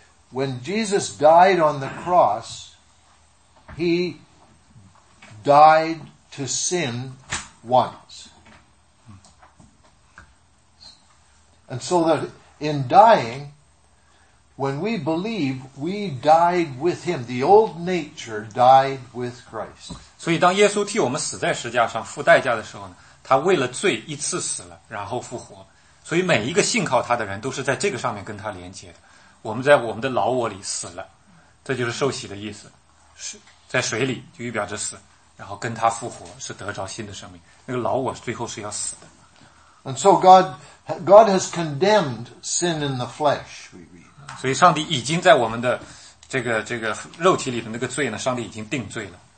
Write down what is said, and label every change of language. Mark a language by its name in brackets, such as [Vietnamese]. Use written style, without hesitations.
[English] When Jesus died on the cross, he died to sin once. And so that in dying,When we believe, we died with him. The old nature died with Christ. [Chinese] 所以当耶稣替我们死在十字架上付代价的时候呢，他为了罪一次死了然后复活。所以每一个信靠他的人都是在这个上面跟他连接的。我们在我们的老我里死了。这就是受洗的意思。在水里就预表着死。然后跟他复活是得着新的生命。那个老我最后是要死的。 [English] And so God has condemned sin in the flesh, we read. [Chinese] 所以上帝已经在我们的这个肉体里的那个罪呢，上帝已经定罪了。